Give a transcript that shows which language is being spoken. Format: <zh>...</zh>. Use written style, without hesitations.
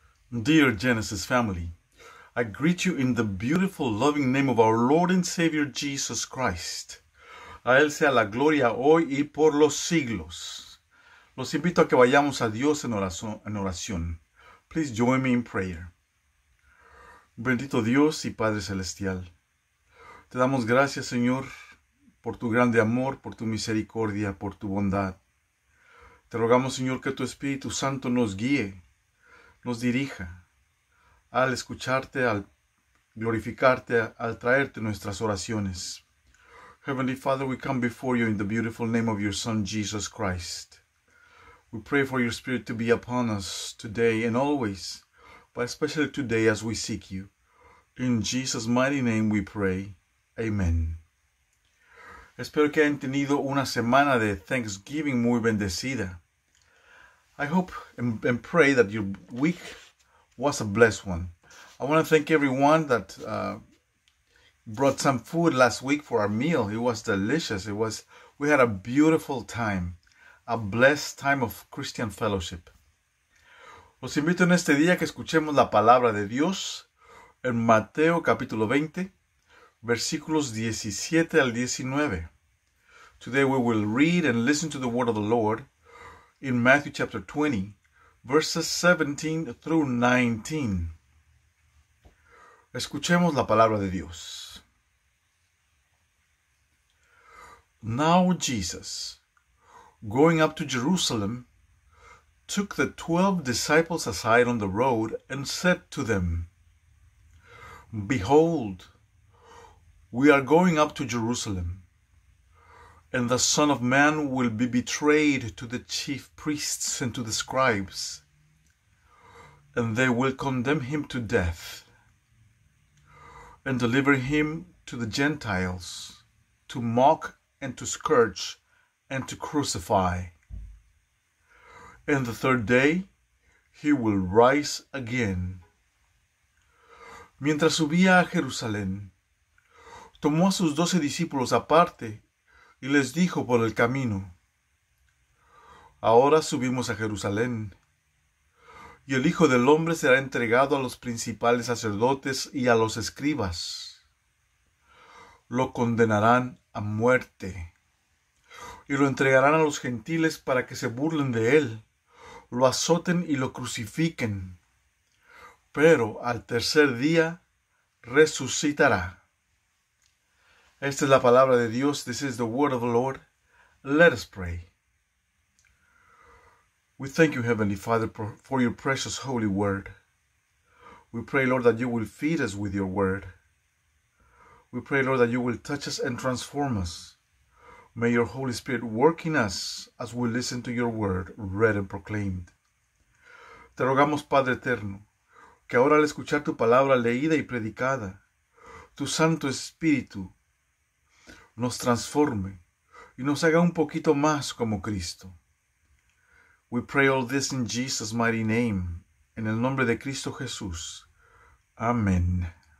<en>Dear Genesis family, I greet you in the beautiful, loving name of our Lord and Savior Jesus Christ.</en> <es>A Él sea la gloria hoy y por los siglos. Los invito a que vayamos a Dios en oración.</es> <en>Please join me in prayer.</en> <es>Bendito Dios y Padre Celestial, te damos gracias, Señor, por tu grande amor, por tu misericordia, por tu bondad. Te rogamos, Señor, que tu Espíritu Santo nos guíe, nos dirija al escucharte, al glorificarte, al traerte nuestras oraciones.</es> <en>Heavenly Father, we come before you in the beautiful name of your Son, Jesus Christ. We pray for your Spirit to be upon us today and always, but especially today as we seek you. In Jesus' mighty name we pray. Amen.</en> <es>Espero que hayan tenido una semana de Thanksgiving muy bendecida.</es> <en>I hope and pray that your week was a blessed one. I want to thank everyone that brought some food last week for our meal. It was delicious. We had a beautiful time, a blessed time of Christian fellowship.</en> <es>Los invito en este día que escuchemos la palabra de Dios en Mateo capítulo 20, versículos 17 al 19.</es> <en>Today we will read and listen to the word of the Lord in Matthew chapter 20, verses 17 through 19.</en> <es>Escuchemos la palabra de Dios.</es> <en>Now Jesus, going up to Jerusalem, took the 12 disciples aside on the road and said to them, "Behold, we are going up to Jerusalem, and the Son of Man will be betrayed to the chief priests and to the scribes, and they will condemn him to death and deliver him to the Gentiles to mock and to scourge and to crucify. And the third day he will rise again."</en> <es>Mientras subía a Jerusalén, tomó a sus 12 discípulos aparte y les dijo por el camino, "Ahora subimos a Jerusalén, y el Hijo del Hombre será entregado a los principales sacerdotes y a los escribas. Lo condenarán a muerte, y lo entregarán a los gentiles para que se burlen de él, lo azoten y lo crucifiquen. Pero al tercer día resucitará." Esta es la palabra de Dios.</es> <en>This is the word of the Lord. Let us pray. We thank you, Heavenly Father, for your precious holy word. We pray, Lord, that you will feed us with your word. We pray, Lord, that you will touch us and transform us. May your Holy Spirit work in us as we listen to your word, read and proclaimed.</en> <es>Te rogamos, Padre Eterno, que ahora al escuchar tu palabra leída y predicada, tu Santo Espíritu nos transforme y nos haga un poquito más como Cristo.</es> <en>We pray all this in Jesus' mighty name,</en> <es>en el nombre de Cristo Jesús.</es> <en>Amén.</en>